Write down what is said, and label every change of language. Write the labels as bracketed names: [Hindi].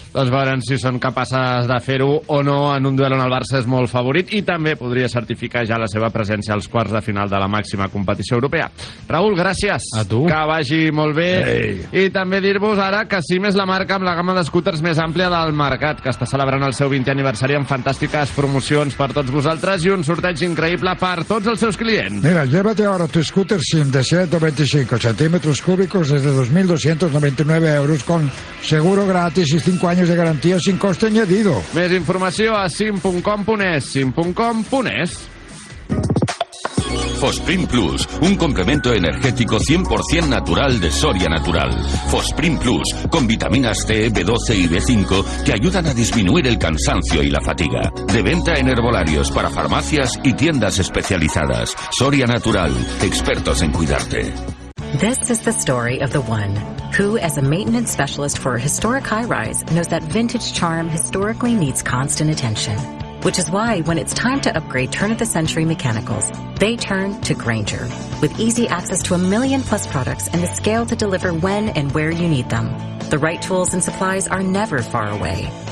[Catalan] Doncs veurem si són capaces de fer-ho o no en un duel on el Barça és molt favorit i també podria certificar ja la seva presència als quarts de final de la màxima competició europea. Raül, gràcies. A tu. Que vagi molt bé. Ei. I també dir-vos ara que Sim és la marca amb la gamma de scooters més àmplia del mercat, que està celebrant el seu 20è aniversari amb fantàstiques promocions per tots vosaltres i un sorteig increïble per tots els seus clients. [Spanish] Mira, llévate ahora tu scooter SIM de 125 centímetros cúbicos desde 2.299 euros con seguro gratis y 5 años de garantía sin coste añadido. [Catalan] Més informació a sim.com.es, sim.com.es. [Spanish] Fosprin Plus, un complemento energético 100% natural de Soria Natural. Fosprin Plus, con vitaminas C, B12 y B5 que ayudan a disminuir el cansancio y la fatiga. De venta en herbolarios, para farmacias y tiendas especializadas. Soria Natural, expertos en cuidarte. [English] This is the story of the one who, as a maintenance specialist for a historic high-rise, knows that vintage charm historically needs constant attention. Which is why, when it's time to upgrade turn-of-the-century mechanicals, they turn to Grainger. With easy access to a million-plus products and the scale to deliver when and where you need them, the right tools and supplies are never far away.